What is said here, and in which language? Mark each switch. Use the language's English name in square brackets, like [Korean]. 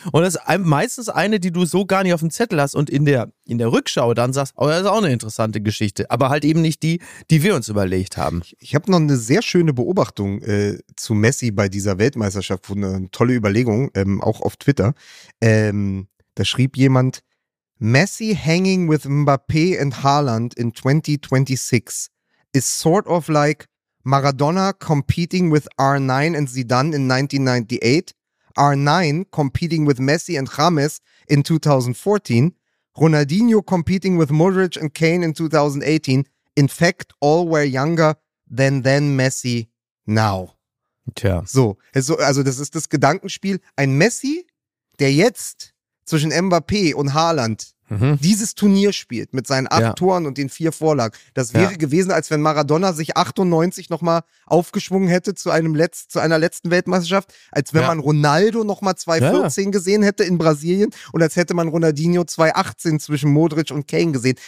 [German] Und das ist meistens eine, die du so gar nicht auf dem Zettel hast und in der Rückschau dann sagst, oh, das ist auch eine interessante Geschichte, aber halt eben nicht die, die wir uns überlegt haben. Ich habe noch eine sehr schöne Beobachtung zu Messi bei dieser Weltmeisterschaft, eine tolle Überlegung, auch auf Twitter. Da schrieb jemand: [English] Messi hanging with Mbappé and Haaland in 2026 is sort of like Maradona competing with R9 and Zidane in 1998, R9 competing with Messi and James in 2014, Ronaldinho competing with Modric and Kane in 2018. In fact, all were younger than Messi now. [German] Tja. So, also das ist das Gedankenspiel. Ein Messi, der jetzt zwischen Mbappé und Haaland dieses Turnier spielt mit seinen 8 Toren und den 4 Vorlagen, das wäre gewesen, als wenn Maradona sich 98 nochmal aufgeschwungen hätte zu einer letzten Weltmeisterschaft, als wenn man Ronaldo nochmal 2014 gesehen hätte in Brasilien und als hätte man Ronaldinho 2018 zwischen Modric und Kane gesehen.